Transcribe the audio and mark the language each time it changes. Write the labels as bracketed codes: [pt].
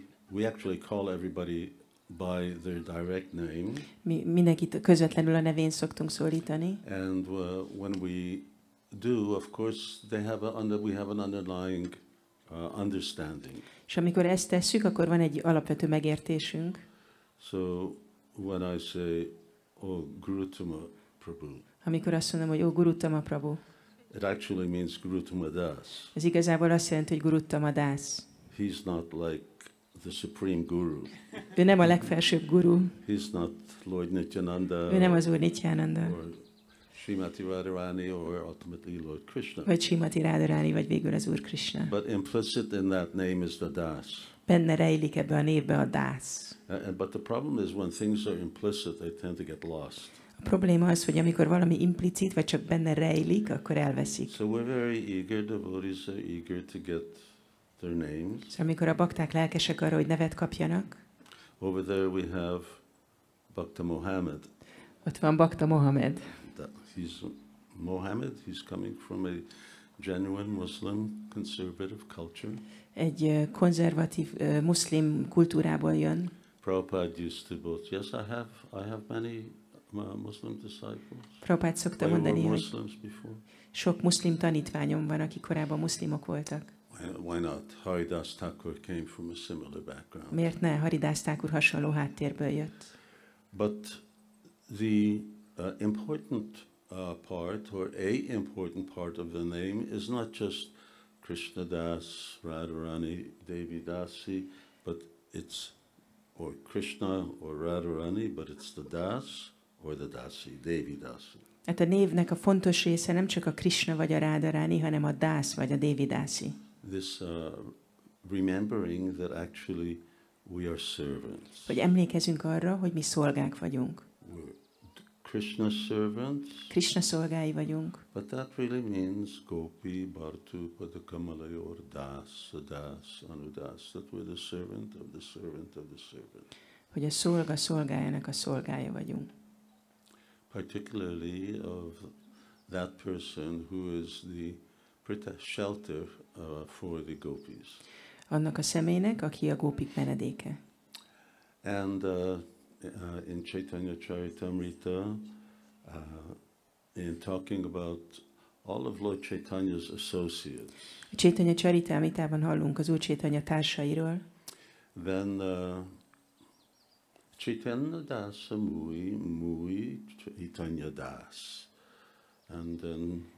[en] We actually call everybody by their direct name. [hu] Mi mindenkit közvetlenül a nevén szoktunk szólítani. [en] And when we do, of course, they have we have an underlying understanding. [hu] És amikor ezt tesszük, akkor van egy alapvető megértésünk. [en] So when I say, oh, Gurutama Prabhu. [hu] Amikor azt mondom, hogy oh, Gurutama Prabhu. [en] It actually means Gurutama Das. [hu] Ez igazából azt jelenti, hogy Gurutama Das. [en] He's not like the supreme guru. [hu] Ő nem a legfelsőbb guru. [en] He's not Lord Nityananda. [hu] Ő nem az Úr Nityananda. [en] Or Srimati Radharani, or ultimately Lord Krishna. [hu] Vagy Srimati Radharani, vagy végül az Úr Krishna. [en] But implicit in that name is the Das. [hu] Benne rejlik ebbe a névbe a Das. [en] But the problem is when things are implicit, they tend to get lost. [hu] A probléma az, hogy amikor valami implicit, vagy csak benne rejlik, akkor elveszik. [en] So we're very eager, devotees are eager to get their names. [hu] So amikor a bakták lelkesek arra, hogy nevet kapjanak. [en] Over there we have Bhakta Mohammed. [hu] Ott van Bhakta Mohammed. [en] He's Mohammed, he's coming from a genuine Muslim conservative culture. [hu] Egy konzervatív muszlim kultúrából jön. [en] Prabhupada used to both. Yes, I have many Muslim disciples. [hu] Prabhupád szokta mondani, hogy sok muszlim tanítványom van, akik korábban muszlimok voltak. [en] Why not? Haridas Thakur came from a similar background. [hu] Miért ne? Haridas Thakur hasonló háttérből jött. [en] But the important part, or a important part of the name, is not just Krishna Das, Radharani, Devi Dasi, but it's or Krishna or Radharani, but it's the Das. Or the Dasi, Devi Dasi. [hu] Hát a névnek a fontos része nem csak a Krishna vagy a Radharani, hanem a Das vagy a Devi Dasi. [en] This remembering that actually we are servants. [hu] Hogy emlékezünk arra, hogy mi szolgák vagyunk. [en] Krishna servants. [hu] Krishna szolgái vagyunk. [en] But that really means [sa] Gopi, Bartu, Padakamalayor, Das, Das, Anudas, [en] that we're the servant of the servant of the servant. [hu] Hogy a szolga szolgájának a szolgája vagyunk. [en] Particularly of that person who is the shelter for the gopis. [hu] Annak a személynek, aki a gópik menedéke. [en] And in Chaitanya Charitamrita, in talking about all of Lord Chaitanya's associates. [hu] A Chaitanya Charitamritában hallunk az Úr Chaitanya társairól. [en] Then Chaitanya Das, Mui, Chaitanya Das. And then